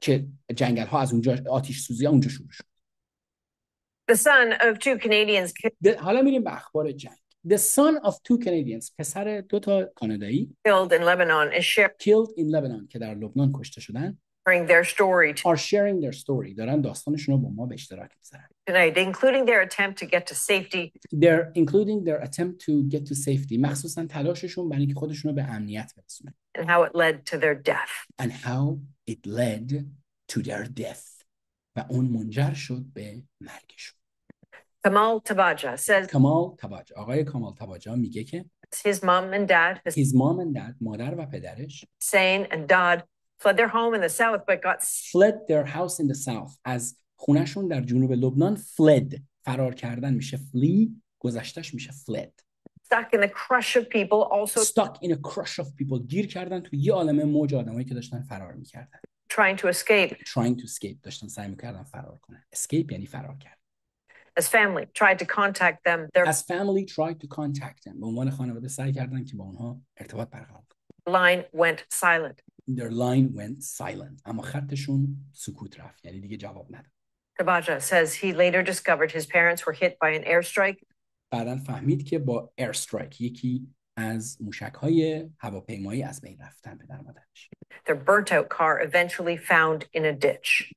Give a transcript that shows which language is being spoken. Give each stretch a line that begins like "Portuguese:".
Persian: که جنگل ها از اونجا آتش سوزی اونجا شروع شد.
English: The son of two Canadians.
Persian: حالا میریم به اخبار جنگ.
English: The son of two Canadians،
Persian: پسر دو تا کانادایی
English: Killed in Lebanon is shipped. killed in Lebanon،
Persian: که در لبنان کشته شدن،
English: Sharing their story are sharing their story،
Persian: دارن داستانشون رو با ما به اشتراک میذارن.
English: Tonight, including their attempt to get to safety. They're including their attempt to get to safety،
Persian: مخصوصا تلاششون برای اینکه خودشون رو به امنیت برسونن.
English: And how it led to their death. And how it led to their death،
Persian: و اون منجر شد به مرگشون.
English: Kamal Tabaja says
Persian: کمال تباج، آقای کمال تباجا میگه که
English: his mom and dad, his mom and dad،
Persian: مادر و پدرش،
English: Sain and Dad, fled their home in the south but got fled their house in the south،
Persian: از خونشون در جنوب لبنان fled، فرار کردن میشه flee، گذشتش میشه fled،
English: stuck in the crush of people also stuck in a crush of people،
Persian: گیر کردن تو یه عالمه موج آدمایی که داشتن فرار میکردن،
English: trying to escape, trying to escape،
Persian: داشتن سعی میکردن فرار کنن، escape یعنی فرار کردن.
English: As family tried to contact them, their As family tried to contact them،
Persian: به عنوان خانواده سعی کردن که با اونها ارتباط برقرار کنن.
English: Line went silent. Their line went silent،
Persian: اما خطشون سکوت رفت، یعنی دیگه جواب نداد.
English: Kabaja says he later discovered his parents were hit by an airstrike.
Persian: بعدن فهمید که با airstrike، یکی از موشک‌های هواپیمایی، از بین رفتن پدر مادرش.
English: Their burnt out car eventually found in a ditch.